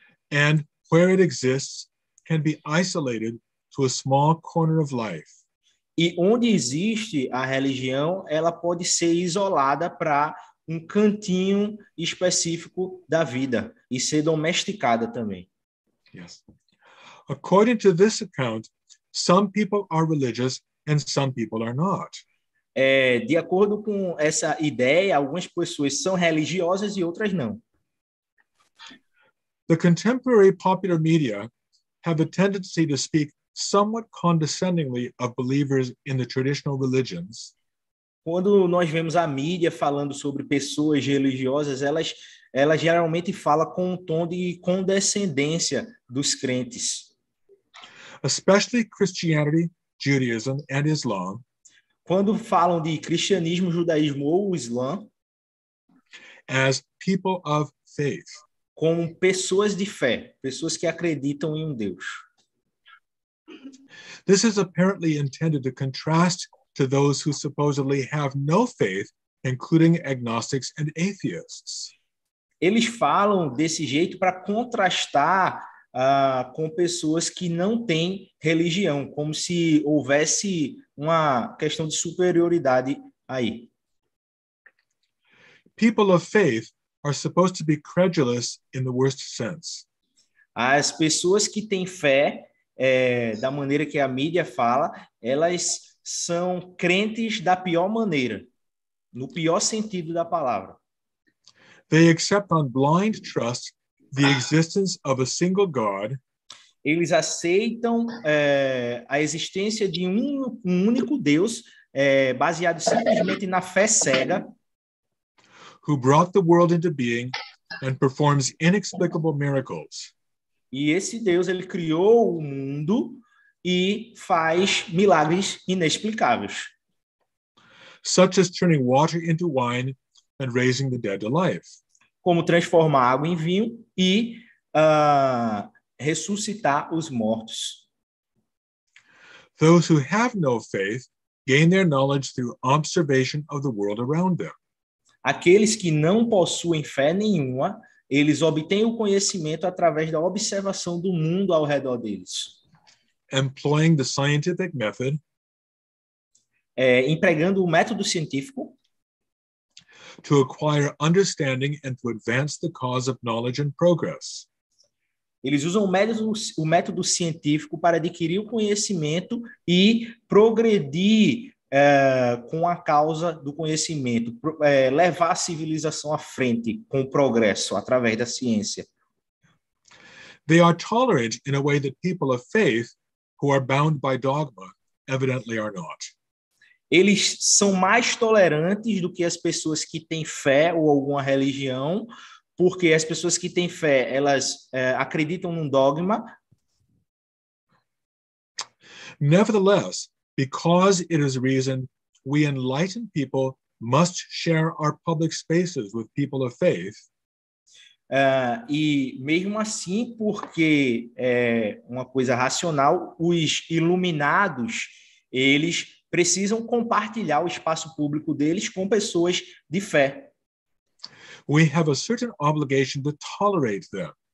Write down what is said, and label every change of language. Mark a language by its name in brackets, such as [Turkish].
[English] And where it exists can be isolated to a small corner of life. [Portuguese] E onde existe a religião, ela pode ser isolada para um cantinho específico da vida e ser domesticada também. [English] Yes. According to this account, some people are religious and some people are not. [Portuguese] De acordo com essa ideia, algumas pessoas são religiosas e outras não. [English] The contemporary popular media have a tendency to speak somewhat condescendingly of believers in the traditional religions. [Portuguese] Quando nós vemos a mídia falando sobre pessoas religiosas, elas geralmente fala com um tom de condescendência dos crentes. [English] Especially Christianity, Judaism and Islam. [Portuguese] Quando falam de cristianismo, judaísmo ou islã, [English] as people of faith. [Portuguese] Como pessoas de fé, pessoas que acreditam em um Deus. [English] This is apparently intended to contrast to those who supposedly have no faith, including agnostics and atheists. [Portuguese] Eles falam desse jeito para contrastar com pessoas que não têm religião, como se houvesse uma questão de superioridade aí. [English] People of faith are supposed to be credulous in the worst sense. [Portuguese] As pessoas que têm fé, da maneira que a mídia fala, elas são crentes da pior maneira, no pior sentido da palavra. [English] They accept on blind trust the existence of a single God. [Portuguese] Eles aceitam a existência de um único Deus, baseado simplesmente na fé cega. [English] Who brought the world into being and performs inexplicable miracles. [Portuguese] E esse Deus, ele criou o mundo e faz milagres inexplicáveis. [English] Such as turning water into wine and raising the dead to life. [Portuguese] Como transformar água em vinho e ressuscitar os mortos. [English] Those who have no faith gain their knowledge through observation of the world around them. [Portuguese] Aqueles que não possuem fé nenhuma, eles obtêm o conhecimento através da observação do mundo ao redor deles. [English] Employing the scientific method. [Portuguese] Empregando o método científico. [English] To acquire understanding and to advance the cause of knowledge and progress. [Portuguese] Eles usam o método científico para adquirir o conhecimento e progredir com a causa do conhecimento, levar a civilização à frente com o progresso através da ciência. [English] They are tolerant in a way that people of faith who are bound by dogma evidently are not. [Portuguese] Eles são mais tolerantes do que as pessoas que têm fé ou alguma religião, porque as pessoas que têm fé, elas acreditam num dogma. [English] Nevertheless, because it is reasoned, we enlightened people must share our public spaces with people of faith. [Portuguese] E mesmo assim, porque é uma coisa racional, os iluminados, eles precisam compartilhar o espaço público deles com pessoas de fé. [English] We have a certain obligation to tolerate them.